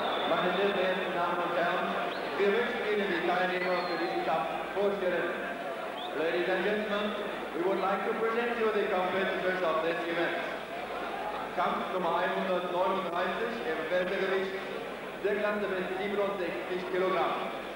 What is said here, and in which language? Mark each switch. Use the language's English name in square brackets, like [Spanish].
[German] Meine sehr verehrten Damen und Herren, wir wünschen Ihnen die Teilnehmer für diesen Cup vorstellen. [English] Ladies and gentlemen, we would like to present you the competitors of this event. [German] Kampf Nummer 139 im Weltergewicht, der Klasse mit 67 Kilogramm.